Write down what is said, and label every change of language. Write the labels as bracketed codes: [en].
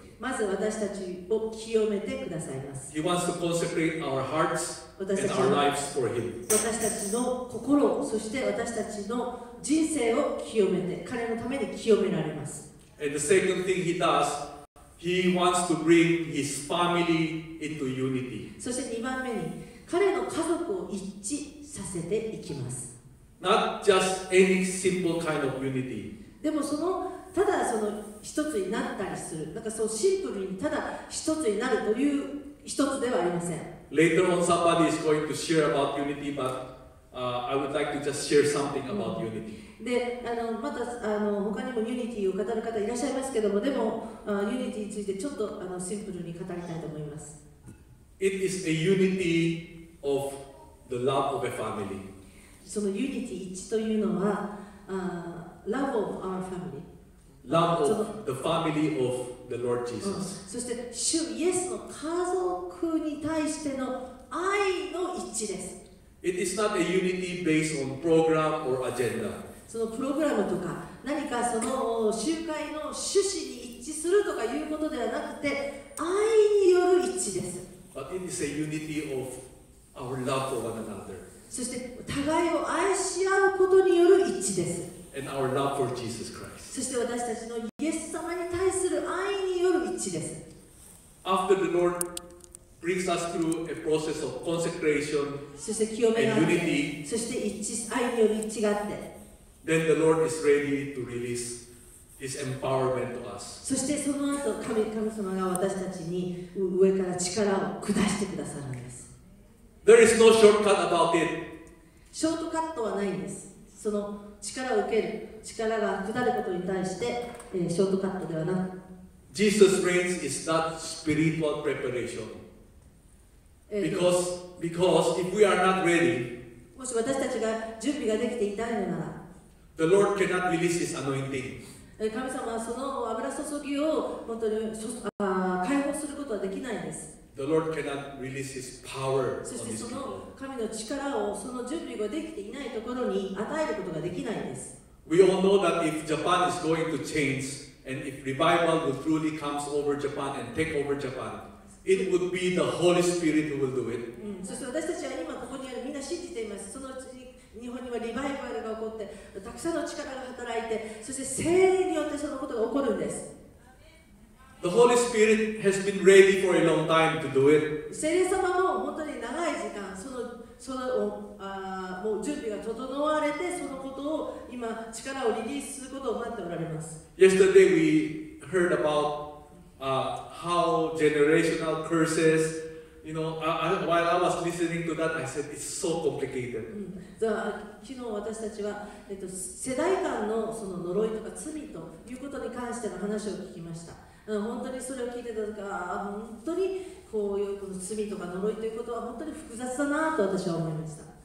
[ja] まず私たちを清めてくださいます。 [en] He wants to consecrate our hearts and our lives for Him. [ja] 私たちの心、そして私たちの人生を清めて、彼のために清められます。 [en] And the second thing he does, he wants to bring his family into unity. [ja] そして2番目に、彼の家族を一致させていきます。 [en] Not just any simple kind of unity. [ja] でもその、ただその一つになったりする、なんかそうシンプルにただ一つになるという一つではありません。 [en] Later on, somebody is going to share about unity, butI would like to just share something about unity. [ja] で、またあの他にもユニティを語る方いらっしゃいますけども、でもユニティについてちょっとあのシンプルに語りたいと思います。 [en] It is a unity of the love of a family. [ja] そのユニティ一致というのは、 [en] love of our family. Love of the family of the Lord Jesus.、 [ja] そして主イエスの家族に対しての愛の一致です。 [en] It is not a unity based on program or agenda. [ja] そのプログラムとか何かその集会の趣旨に一致するとかいうことではなくて愛による一致です。 [en] But it is a unity of our love for one another. [ja] そして互いを愛し合うことによる一致です。 [en] And our love for Jesus Christ. [ja] そして私たちのイエス様に対する愛による一致です。 [en] After the Lord. Brings us through a process of consecration and unity. [ja] そして一致、愛による一致があって。 [en] Then the Lord is ready to release His empowerment to us. [ja] そしてその後、神様が私たちに上から力を下してくださるんです。 [en] There is no shortcut about it. [ja] ショートカットはないんです。その力を受ける、力が下ることに対して、ショートカットではなく。 [en] Jesus reigns is not spiritual preparation. Because if we are not ready, [ja] もし私たちが準備ができていないのなら、 [en] the Lord cannot release His anointing. [ja] 神様はその油注ぎを本当に解放することはできないんです。 [en] The Lord cannot release His power. [ja] そしてその神の力をその準備ができていないところに与えることができないんです。 [en] We all know that if Japan is going to change and if revival will truly comes over Japan and take over Japan. It would be the Holy Spirit who will do it. [ja] そして私たちは今ここにあるみんな信じています。そのうちに日本にはリバイバルが起こって、たくさんの力が働いて、そして聖霊によってそのことが起こるんです。 [en] The Holy Spirit has been ready for a long time to do it. [ja] 聖霊様も本当に長い時間、もう準備が整われて、そのことを今力をリリースすることを待っておられます。 [en] Yesterday we heard about how generational curses you know, while I was listening to that, I said, it's so complicated. [ja] So, 昨日私たちは、世代間のその呪いとか罪ということに関しての話を聞きました。本当にそれを聞いてたとか、本当にこういうこの罪とか呪いということは本当に複雑だなと私は思いました。